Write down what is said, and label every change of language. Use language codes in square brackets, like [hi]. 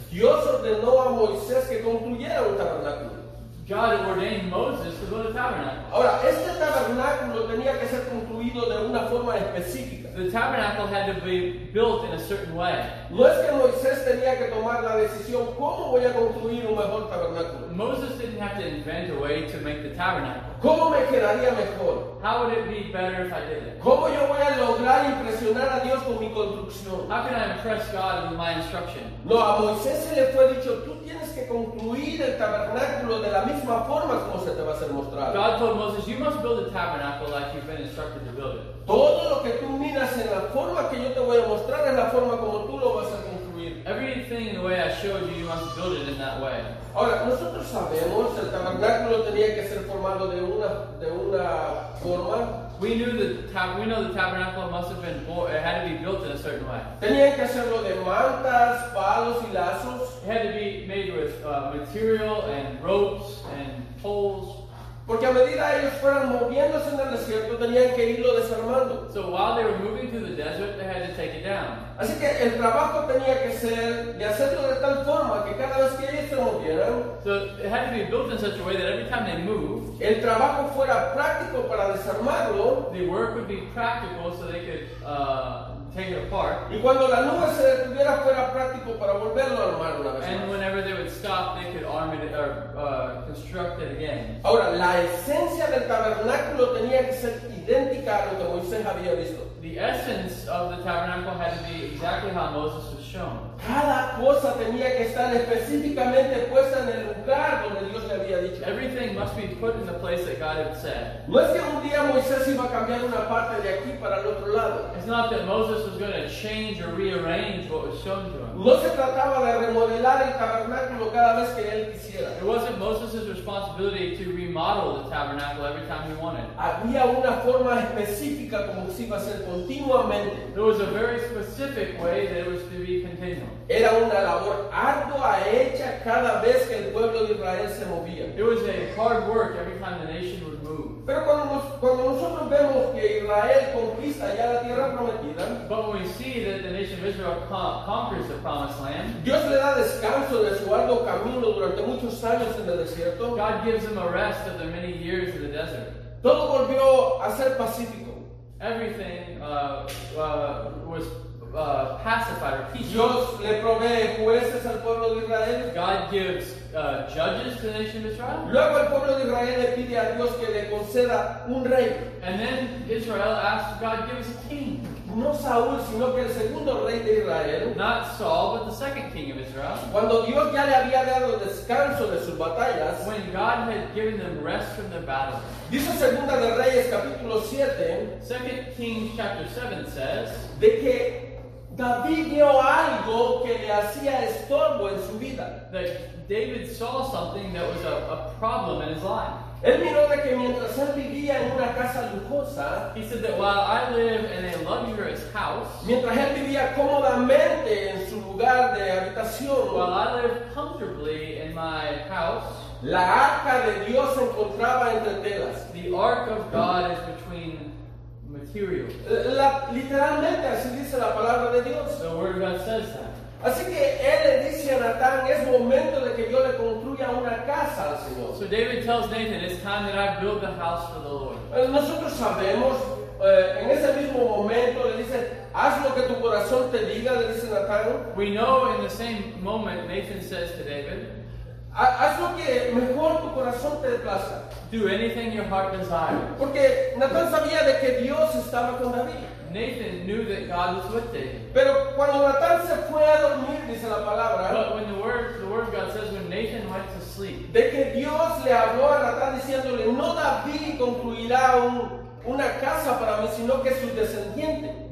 [es] Dios ordenó a Moisés que construyera un tabernáculo. [en] God ordained Moses to build a tabernacle. [es] Ahora, este tabernáculo tenía que ser construido de una forma específica. [en] The tabernacle had to be built in a certain way. [es] No es que Moisés tenía que tomar la decisión, ¿cómo voy a construir un mejor tabernáculo? [en] Moses didn't have to invent a way to make the tabernacle. [es] ¿Cómo me quedaría mejor? [en] How would it be better if I did it? [es] ¿Cómo yo voy a lograr impresionar a Dios con mi construcción? [en] How can I impress God with my instruction? [es] No, a Moisés se le fue dicho, tú tienes que construir el tabernáculo de la misma forma como se te va a ser mostrado. [en] God told Moses, you must build a tabernacle like you've been instructed to build it. [es] Todo lo que tú miras en la forma que yo te voy a mostrar es la forma como tú lo vas a construir. [en] Everything the way I showed you, you must build it in that way. [es] Ahora, nosotros sabemos el tabernáculo tenía que ser formado de una forma. [en] We know the tabernacle must have been built. It had to be built in a certain way. [es] Tenía que hacerlo de mantas, palos y lazos. [en] It had to be made with material and ropes and poles. [es] Porque a medida ellos fueran moviéndose en el desierto, tenían que irlo desarmando. [en] So while they were moving through the desert, they had to take it down. [es] Así que el trabajo tenía que ser de hacerlo de tal forma que cada vez que ellos se movieran, [en] so it had to be built in such a way that every time they moved, [es] el trabajo fuera práctico para desarmarlo. [en] The work would be practical so they could take it apart. [es] Y cuando la nube se detuviera, fuera práctico para volverlo a armar una vez más. [en] And whenever they would stop, they could arm it or construct it again. [es] Ahora, la esencia del tabernáculo tenía que ser idéntica a lo que Moisés había visto. [en] The essence of the tabernacle had to be exactly how Moses was shown. [es] Cada cosa tenía que estar específicamente puesta en el lugar donde Dios le había dicho. [en] Everything must be put in the place that God had said. [es] No es que un día Moisés iba a cambiar una parte de aquí para el otro lado. [en] It's not that Moses was going to change or rearrange what was shown to him. [es] No se trataba de remodelar el tabernáculo cada vez que él quisiera. [en] It wasn't Moses' responsibility to remodel the tabernacle every time he wanted. [es] Había una forma específica como se iba a hacer continuamente. [en] There was a very specific way that it was to be continual. [es] Era una labor ardua hecha cada vez que el pueblo de Israel se movía. [en] It was a hard work every time the nation would move. [es] Pero cuando nosotros vemos que Israel conquista ya la tierra prometida, [en] but when we see that the nation of Israel conquers the promised land, [es] Dios le da descanso de su arduo camino durante muchos años en el desierto. [en] God gives them a rest of their many years in the desert. [es] Todo volvió a ser pacífico. [en] Everything was pacified or peaceful. [es] Dios le provee jueces al pueblo de Israel. [en] God gives judges to the nation of Israel. [es] Luego el pueblo de Israel le pide a Dios que le conceda un rey. [en] And then Israel asks God, give us a king. [es] No Saúl, sino que el segundo rey de Israel. [en] Not Saul, but the second king of Israel. [es] Cuando Dios ya le había dado descanso de sus batallas. [en] When God had given them rest from their battles. [es] Dice Segunda de Reyes, capítulo 7. [en] Second Kings, chapter 7 says. [es] De que David vio algo que le hacía estorbo en su vida. [en] That David saw something that was a problem in his life. [es] Él miró de que mientras él vivía en una casa lujosa, [en] he said that while I live in a luxurious house, [es] mientras él vivía cómodamente en su lugar de habitación, [en] while I live comfortably in my house, [es] la arca de Dios se encontraba entre telas. [en] The ark of God is between materials. [es] Literalmente así dice la palabra de Dios. [en] The word of God says that. [es] Así que él le dice a Natán, es momento de que yo le construya una casa al Señor. [en] So David tells Nathan, it's time that I build the house for the Lord. [es] Nosotros sabemos, en ese mismo momento le dice, haz lo que tu corazón te diga, le dice Natán. [en] We know in the same moment Nathan says to David, [es] haz lo que mejor tu corazón te plaza. [en] Do anything your heart desires. [es] Porque Natán sabía de que Dios estaba con David. [en] Nathan knew that God was with David. [es] Pero cuando Natán se fue a dormir, dice la palabra, [en] but when the word of God says when Nathan went to sleep, [es] de que Dios le habló a Natán diciéndole, no David construirá una casa para mí, sino que su descendiente.